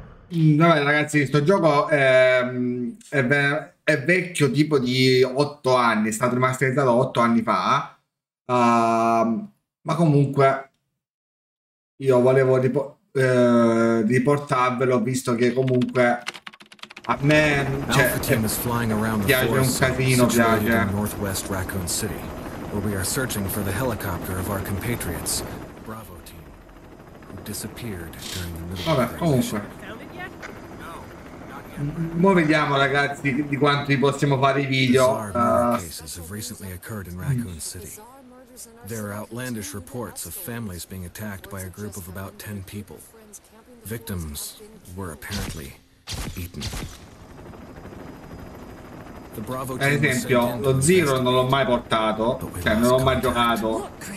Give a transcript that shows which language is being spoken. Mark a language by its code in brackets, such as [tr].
[it] Vabbè ragazzi, questo gioco è vecchio, tipo di 8 anni, è stato rimasterizzato 8 anni fa, ma comunque io volevo riportarvelo, visto che comunque a me, cioè, piace un casino. [en] In Northwest Raccoon City, where we are searching for the helicopter of our compatriots, Bravo team, who disappeared during the middle. [it] Vabbè, comunque. Mo vediamo ragazzi di quanto vi possiamo fare i video. [en] Cases have recently occurred in Raccoon City. There are outlandish reports of families being attacked by a group of about 10 people. Victims were apparently eaten. The Bravo team. [it] Ad esempio, lo Zero non l'ho mai portato, cioè non l'ho mai giocato.